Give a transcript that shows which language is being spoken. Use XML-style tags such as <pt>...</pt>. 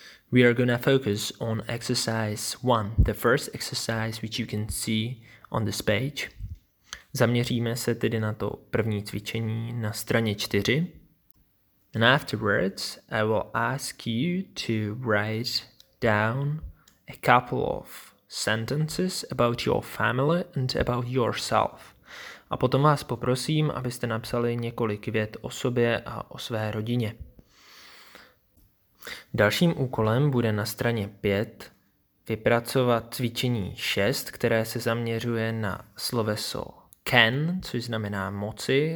<en>We are gonna focus on exercise 1, the first exercise which you can see on this page.</en> <cs>Zaměříme se tedy na to první cvičení na straně 4.</cs> <en>And afterwards, I will ask you to write down a couple of sentences about your family and about yourself.</en> <cs>A potom vás poprosím, abyste napsali několik vět o sobě a o své rodině. Dalším úkolem bude na straně 5 vypracovat cvičení 6, které se zaměřuje na sloveso can, což znamená moci.</cs>